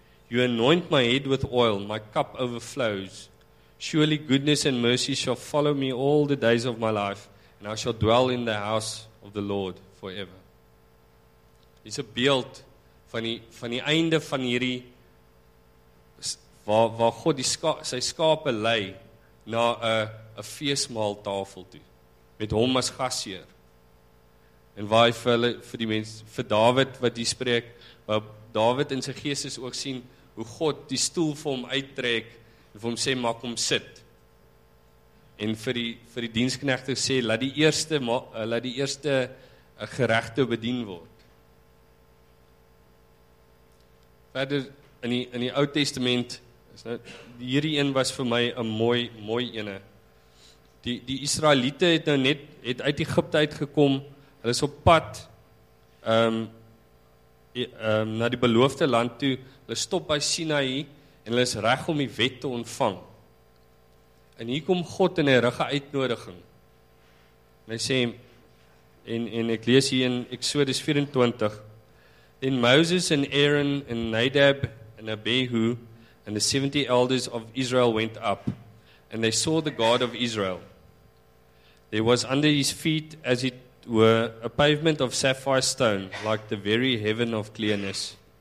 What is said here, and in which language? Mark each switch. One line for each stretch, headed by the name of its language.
English: You anoint my head with oil, my cup overflows. Surely goodness and mercy shall follow me all the days of my life, and I shall dwell in the house of the Lord forever.
Afrikaans: Dis 'n beeld van die einde van hierdie waar God sy skape lei na 'n feesmaal tafel toe met hom as gasheer. En waar hy vir die mens, vir Dawid wat hier spreek, waar Dawid in sy gees is ook sien hoe God die stoel vir hom uittrek en vir hom sê maak hom sit. En vir die diensknegte sê laat die eerste geregte bedien word. Verder in die Ou Testament hierdie een was vir my 'n mooi ene. Die Israeliete het nou net het uit Egipte uitgekom. Hulle is op pad na die beloofde land toe. Hulle stop by Sinai en hulle is reg om die wet te ontvang. En hier kom God in 'n regte uitnodiging. En hy sê en ek lees hier in Exodus 24:
English: Then Moses and Aaron and Nadab and Abihu and the 70 elders of Israel went up, and they saw the God of Israel. There was under his feet, as it were, a pavement of sapphire stone, like the very heaven of clearness.